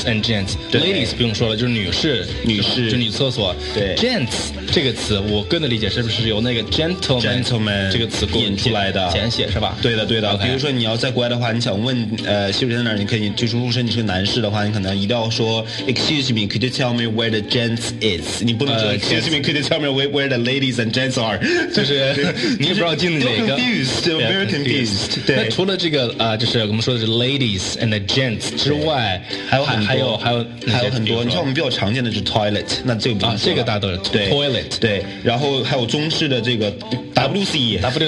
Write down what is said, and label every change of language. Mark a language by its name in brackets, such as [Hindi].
[Chinese] and gents，ladies 不用说了，就是女士，就女厕所，对，gents 这个词，我个人的理解是不是由那个Gentleman 这个词引出来的简写是吧？对的，对的。 [English] Okay. [Chinese] 比如说你要在国外的话，你想问洗手间在哪儿，你可以就是如果说你是个男士的话，你可能一定要说 [English] Excuse me, could you tell me where the gents is? 你不能说 Excuse me, could you tell me where the ladies and gents are? [Chinese] 就是你也不知道进哪个。 [English] Very confused. [Chinese] 对。那除了这个就是我们说的是 ladies and the gents 之外，还有很多。你像我们比较常见的就是 toilet， 那就不用说了，这个大多 toilet 对。然后还有中式的这个 WC